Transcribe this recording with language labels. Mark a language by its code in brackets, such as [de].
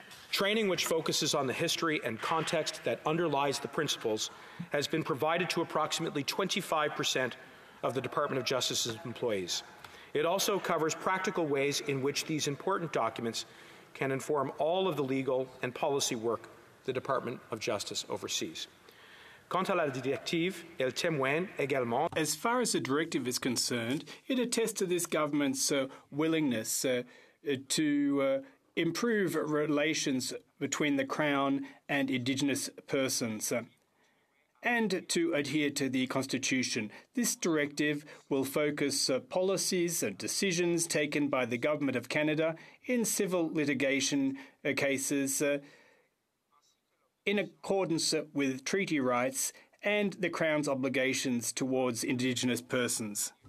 [en] Training which focuses on the history and context that underlies the principles has been provided to approximately 25% of the Department of Justice's employees. It also covers practical ways in which these important documents can inform all of the legal and policy work the Department of Justice oversees. [fr] Quant à la directive, elle témoigne également. [en] As far as the directive is concerned, it attests to this government's willingness to improve relations between the Crown and Indigenous persons. And to adhere to the Constitution, this directive will focus policies and decisions taken by the Government of Canada in civil litigation cases in accordance with treaty rights and the Crown's obligations towards Indigenous persons.